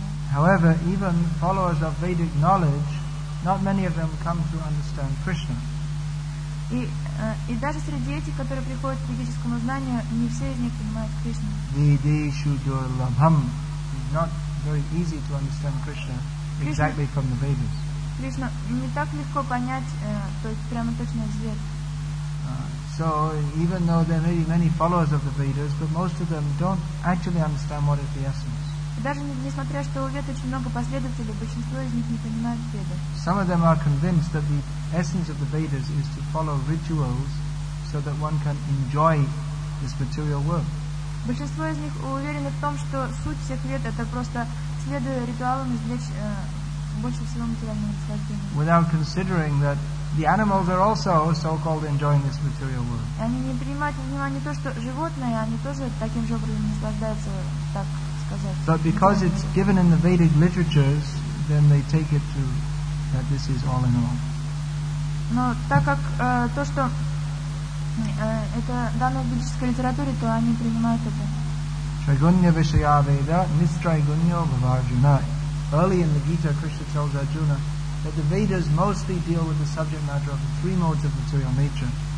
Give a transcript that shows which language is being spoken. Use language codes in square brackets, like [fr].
[en] However, even followers of Vedic knowledge, not many of them come to understand Krishna. [ru] И даже среди этих, которые приходят к ведическому знанию, не все из них понимают Кришну. [sa] Vidishudurlabham. [en] It's not very easy to understand Krishna exactly from the Vedas. [ru] Кришна не так легко понять, то есть прямо точно из Вед. [en] So even though there may be many followers of the Vedas, but most of them don't actually understand what is the essence. [ru] Даже несмотря, что у Вед очень много последователей, большинство из них не понимают Веды. [en] Some of them are convinced that the essence of the Vedas is to follow rituals so that one can enjoy this material world. [ru] Большинство из них уверены в том, что суть всех Вед — это просто следуя ритуалам извлечь больше всего материального наслаждения. [en] Without considering that the animals are also so-called enjoying this material world. [ru] И они не принимают внимания то, что животные, они тоже таким же образом наслаждаются так. [en] But because it's given in the Vedic literatures, then they take it to that this is all in all. [ru] Но так как то, что это данное в ведической литературе, то они принимают это. [sa] Trigunya Vishaya Veda Nistrigunyo Bhavarjuna. [en] Early in the Gita, Krishna tells Arjuna that the Vedas mostly deal with the subject matter of the three modes of material nature.